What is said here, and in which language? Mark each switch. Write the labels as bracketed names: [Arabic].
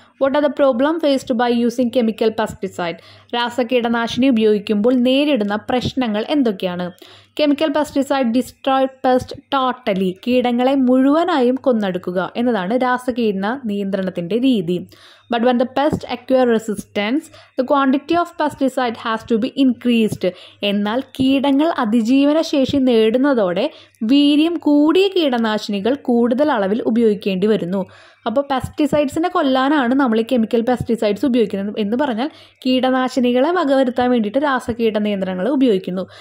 [English] What are the problem faced by using chemical pesticide? [Malayalam] രാസ കീടനാശിനി ഉപയോഗിക്കുമ്പോൾ നേരിടുന്ന പ്രശ്നങ്ങൾ എന്തൊക്കെയാണ്? [English] chemical pesticide destroy pest totally, [Malayalam] കീടങ്ങളെ മുഴുവനായും കൊന്നെടുക്കുക എന്നതാണ് രാസകീടന നിയന്ത്രണത്തിൻ്റെ രീതി. [English] But when the pest acquire resistance, the quantity of pesticide has to be increased. [Malayalam] എന്നാൽ കീടങ്ങൾ അതിജീവന ശേഷി നേടുന്നതോടെ വീര്യം കൂടിയ കീടനാശിനികൾ കൂടുതൽ അളവിൽ ഉപയോഗിക്കേണ്ടി വരുന്നു. അപ്പോൾ പെസ്റ്റിസൈഡ്സിനെ കൊല്ലാനാണ് നമ്മൾ ഈ കെമിക്കൽ പെസ്റ്റിസൈഡ്സ് ഉപയോഗിക്കുന്നത് എന്ന് പറഞ്ഞാൽ കീടനാശിനികളെ വകവരുത്താൻ വേണ്ടിയിട്ട് രാസകീട നിയന്ത്രണങ്ങൾ ഉപയോഗിക്കുന്നു.